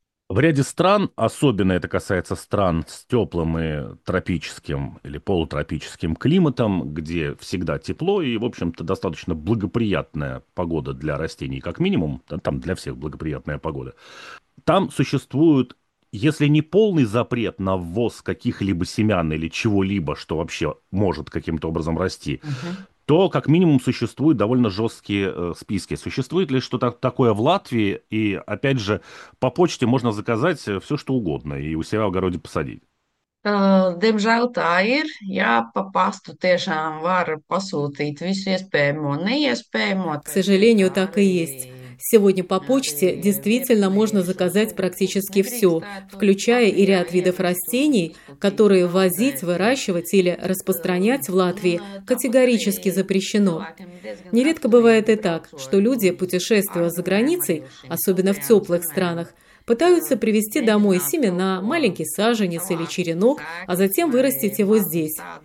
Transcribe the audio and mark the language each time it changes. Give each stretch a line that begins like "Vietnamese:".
Russian: В ряде стран, особенно это касается стран с теплым и тропическим или полутропическим климатом, где всегда тепло и, в общем-то, достаточно благоприятная погода для растений, как минимум, там для всех благоприятная погода, там существует, если не полный запрет на ввоз каких-либо семян или чего-либо, что вообще может каким-то образом расти, то как минимум существуют довольно жесткие списки. Существует ли что-то такое в Латвии? И опять же, по почте можно заказать все, что угодно, и у себя в огороде посадить.
Latvian: Diemžēl tā ir, jā, pa pastu tiešām var pasūtīt visu iespējamo, neiespējamo.
Russian: К сожалению, так и есть. Сегодня по почте действительно можно заказать практически все, включая и ряд видов растений, которые ввозить, выращивать или распространять в Латвии категорически запрещено. Нередко бывает и так, что люди, путешествуя за границей, особенно в теплых странах, пытаются привезти домой семена, маленький саженец или черенок, а затем вырастить его здесь.